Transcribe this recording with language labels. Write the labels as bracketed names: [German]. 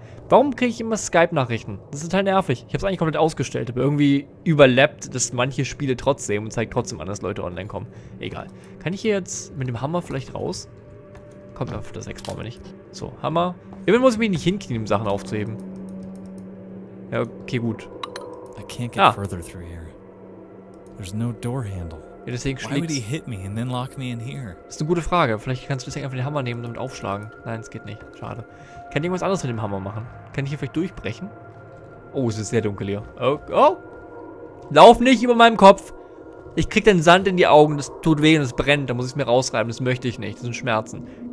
[German] Warum kriege ich immer Skype-Nachrichten? Das ist total nervig. Ich habe es eigentlich komplett ausgestellt, aber irgendwie überlappt das manche Spiele trotzdem und zeigt trotzdem an, dass Leute online kommen. Egal. Kann ich hier jetzt mit dem Hammer vielleicht raus? Kommt auf das Ex, brauchen wir nicht. So, Hammer. Irgendwann muss ich mich nicht hinknien, um Sachen aufzuheben. Ja, okay, gut. [English] I can't get further through here. There's no door handle. [German] Ja, deswegen schlägst. [English] Why would he hit me and then lock me in here? [German] Das ist eine gute Frage. Vielleicht kannst du deswegen einfach den Hammer nehmen und damit aufschlagen. Nein, es geht nicht. Schade. Kann ich irgendwas anderes mit dem Hammer machen? Kann ich hier vielleicht durchbrechen? Oh, es ist sehr dunkel hier. Oh, oh! Lauf nicht über meinem Kopf! Ich krieg den Sand in die Augen. Das tut weh und es brennt. Da muss ich es mir rausreiben. Das möchte ich nicht. Das sind Schmerzen.